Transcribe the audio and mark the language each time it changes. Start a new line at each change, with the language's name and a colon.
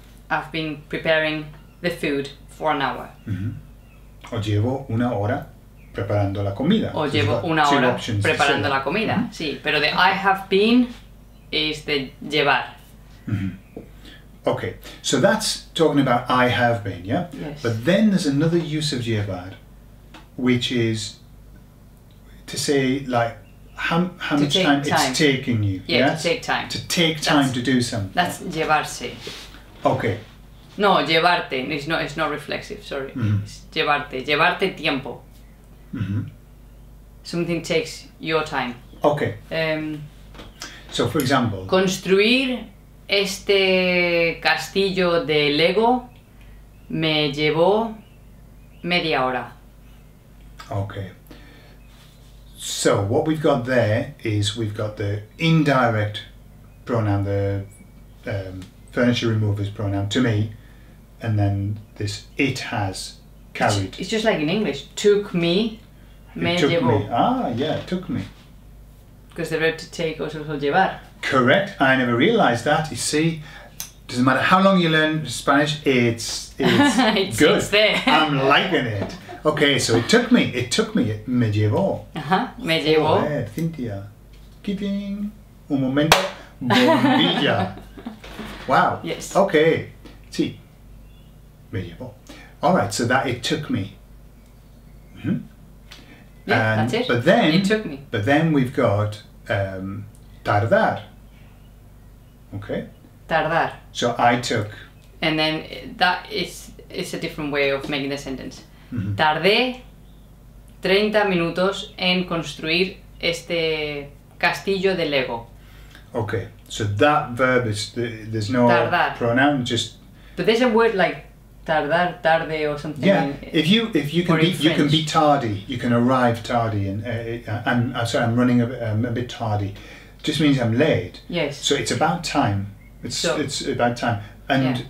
English: I've been preparing the food for an hour.
Spanish: Mm-hmm. O llevo una hora preparando la comida. O llevo una hora preparando la comida. Mm-hmm. Sí, pero
English: the I have been is the llevar. Mm-hmm. Okay, so that's talking about I have been, yeah? Yes. But then there's another use of llevar, which is to say, like, how much time it's taking you. Yeah, yes? To take time to do something. That's llevarse. Okay. No, llevarte. It's not reflexive, sorry. Mm-hmm. It's llevarte.
Spanish: Llevarte tiempo. Mm-hmm.
English: Something takes your time. Okay. So, for example...
Spanish: Construir este castillo de Lego me llevó media hora.
English: Okay. So, what we've got there is we've got the indirect pronoun, the... furniture removers pronoun to me, and then this it has carried. It's just like in English, took me, me took
Spanish: llevo.
English: Me. Ah, yeah, took me. Because the verb to take also so llevar. Correct. I never realized that. You see, doesn't matter how long you learn Spanish, it's good. It's there. I'm liking it. Okay, so it took me,
Spanish: me llevo. Uh-huh, me llevo. Joder, Cintia. Keeping un momento, bombilla. Wow.
English: Yes. Okay.
Spanish: Sí. Me llevó.
English: All right. So that it took me. Mm-hmm. Yeah, and, that's it. But then, it took me. But then we've got tardar. Okay.
Spanish: Tardar.
English: So I took. And then that is a different way of making the sentence. Mm-hmm.
Spanish: Tardé 30 minutos en construir este castillo de Lego.
English: Okay, so that verb is, there's no
Spanish: tardar.
English: Pronoun, just... But there's a word like tardar, tarde or something. Yeah, if you can be, you can be tardy, you can arrive tardy. And I'm running a bit tardy. Just means I'm late. Yes. So it's about time. It's about time. And yeah.